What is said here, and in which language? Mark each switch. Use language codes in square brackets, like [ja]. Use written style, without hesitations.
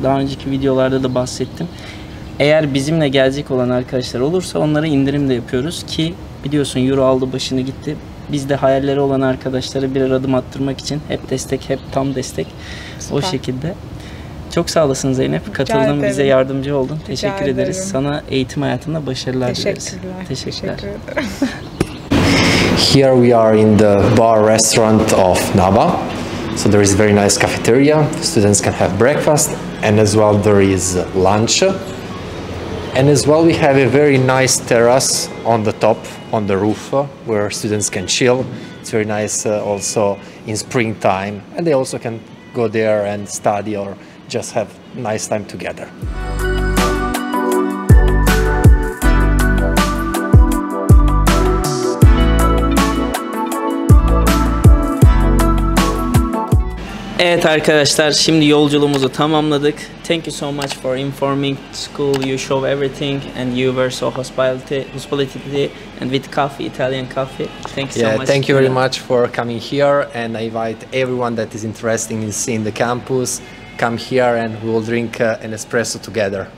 [tr] Daha önceki videolarda da bahsettim. Eğer bizimle gelecek olan arkadaşlar olursa onlara indirim de yapıyoruz ki biliyorsun euro aldı başını gitti. Biz de hayalleri olan arkadaşlara birer adım attırmak için hep destek, hep tam destek. Süper. O şekilde. Çok sağ olasın Zeynep. Katıldın, bize yardımcı oldun. Teşekkür ederiz. Sana eğitim hayatında başarılar dileriz. Teşekkürler. [en] Here we are in the bar restaurant of Naba. So there is a very nice cafeteria. Students can have breakfast and as well there is lunch. And as well we have a very nice terrace on the top, on the roof, where students can chill. It's very nice also in springtime. And they also can go there and study or just have nice time together. [tr] Evet arkadaşlar, şimdi yolculuğumuzu tamamladık. [en] Thank you so much for informing school. You show everything and you were so hospitality and with coffee, Italian coffee. Thank you so much. Thank you very much for coming here and I invite everyone that is interested in seeing the campus, come here and we will drink an espresso together.